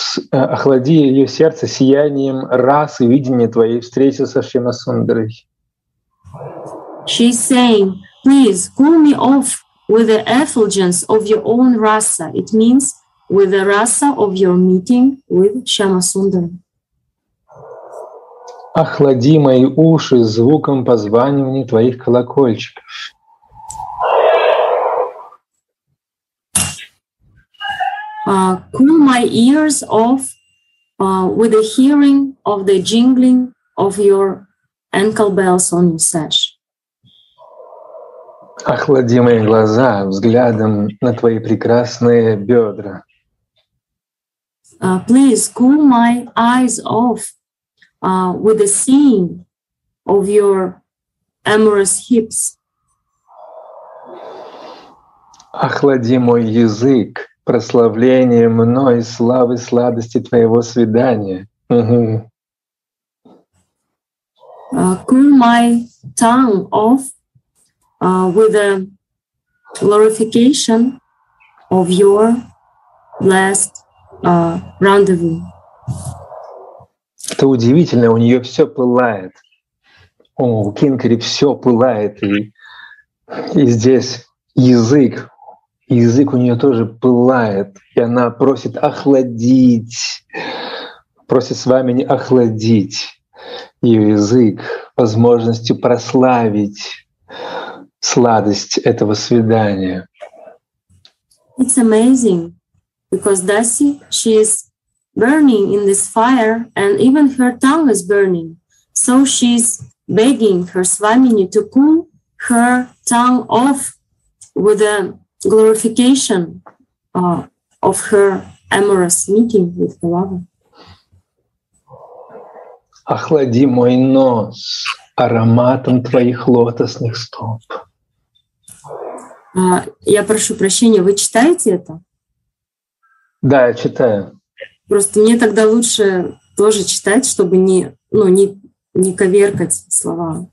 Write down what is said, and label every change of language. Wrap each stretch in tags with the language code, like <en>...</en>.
<ru>Охлади ее сердце сиянием рас и видения твоей встречи со Шьямасундарой.</ru> <en>She's saying, please cool me off with the effulgence of your own rasa. It means with the rasa of your meeting with Shyamasundara.</en> <ru>Охлади мои уши звуком позванивания твоих колокольчиков.</ru> <en>Cool my ears off with the hearing of the jingling of your ankle bells on your sash.</en> <ru>Охлади мои глаза взглядом на твои прекрасные бедра.</ru> <en>Please cool my eyes off with the seeing of your amorous hips.</en> <ru>Охлади мой язык прославлением мной славы сладости твоего свидания.</ru> <en>Cool my tongue off with the glorification of your last rendezvous.</en> <ru>Это удивительно, у нее все пылает. У Кинкари все пылает. И здесь язык у нее тоже пылает. И она просит охладить, просит с вами не охладить ее язык возможностью прославить сладость этого свидания.</ru> <en>It's amazing, because Dasi, she is burning in this fire, and even her tongue is burning. So she's begging her Swamini to cool her tongue off with the glorification of her amorous meeting with her lover.</en> <ru>Охлади мой нос ароматом твоих лотосных стоп. Я прошу прощения, вы читаете это? Да, я читаю. Просто мне тогда лучше тоже читать, чтобы не коверкать слова.</ru>